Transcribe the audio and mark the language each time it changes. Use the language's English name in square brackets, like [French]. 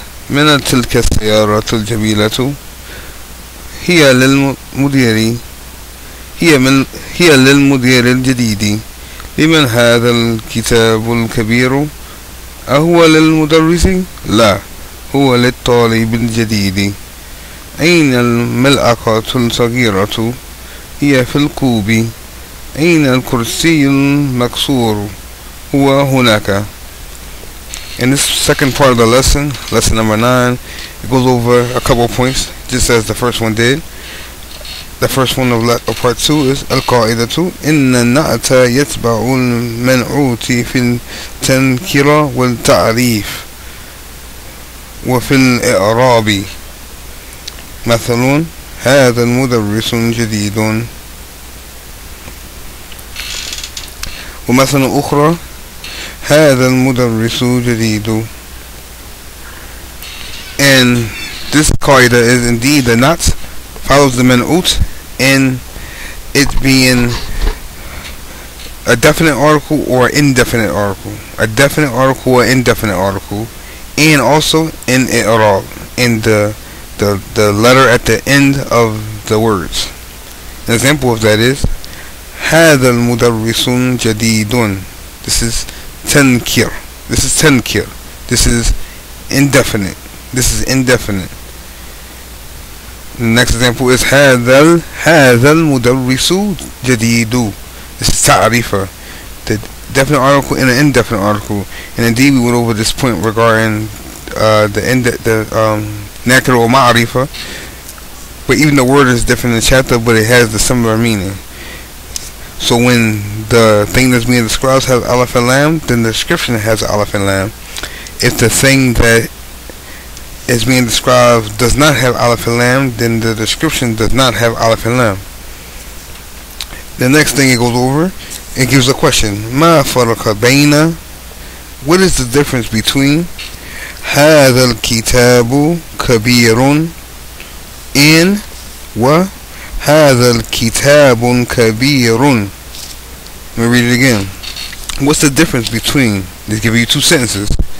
[Arabic] من تلك السيارة الجميلة هي للمدير هي للمدير الجديد لمن هذا الكتاب الكبير أهو للمدرس لا هو للطالب الجديد أين الملعقة الصغيرة هي في الكوب أين الكرسي المكسور هو هناك. [English] In this second part of the lesson, lesson number 9, it goes over a couple of points just as the first one did. The first one of part 2 is [Arabic] القاعدة إن النعت يتبع المنعوت في التنكرة والتعريف وفي الإعراب مثلا هذا المدرس جديد ومثلا أخرى هذا المدرس جديد. [English] And this قاعدة is indeed the نعت follows the منعوت in it being a definite article or indefinite article, a definite article or indefinite article, and also in i'rab, in the letter at the end of the words. An example of that is [Arabic] هذا المدرس جديد. [English] This is تنكر. This is تنكر. This is indefinite. This is indefinite. Next example is [Arabic] هذا المدرس جديد. [English] This is تعريفة. The definite article and an indefinite article. And indeed we went over this point regarding [Arabic] نكر ومعرفة. [English] But even the word is different in the chapter, but it has the similar meaning. So when the thing that's being described has aleph and lam, then the description has aleph and lam. If the thing that is being described does not have aleph and lam, then the description does not have aleph and lam. The next thing it goes over, it gives a question. [Arabic] ما فرق بين, [English] what is the difference between [Arabic] هذا الكتاب كبير in وهذا الكتاب كبير. [English] Let me read it again. What's the difference between, they give you two sentences.